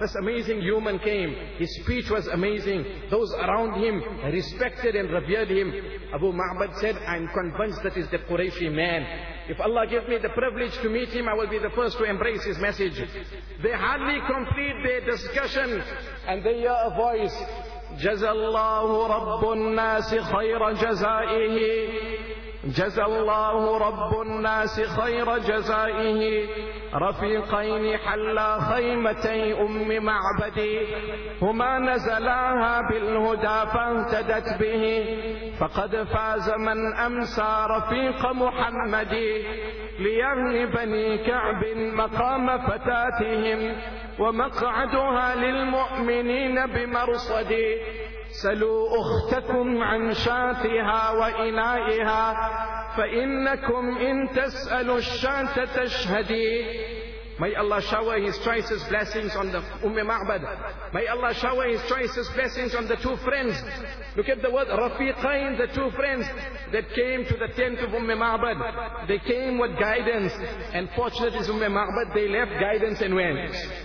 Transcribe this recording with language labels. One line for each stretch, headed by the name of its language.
English: This amazing human came. His speech was amazing. Those around him respected and revered him. Abu Ma'bad said, I'm convinced that he's the Qurayshi man. If Allah gives me the privilege to meet him, I will be the first to embrace his message. They hardly complete their discussion. And they hear a voice.
Arabic: جزى الله رب الناس خير جزائه جزى الله رب الناس خير جزائه رفيقين حلا خيمتي أم معبدي هما نزلاها بالهدى فاهتدت به فقد فاز من أمسى رفيق محمدي ليهن بني كعب مقام فتاتهم ومقعدها للمؤمنين بمرصدي سلوا أختكم عن شاتها وإنائها فإنكم إن تسألوا الشات تشهدي.
English: May Allah shower His choicest blessings on the Umm Ma'bad. May Allah shower His choicest blessings on the two friends. Look at the word Rafiqain, the two friends that came to the tent of Umm Ma'bad. They came with guidance, and fortunate is Umm Ma'bad, they left guidance and went.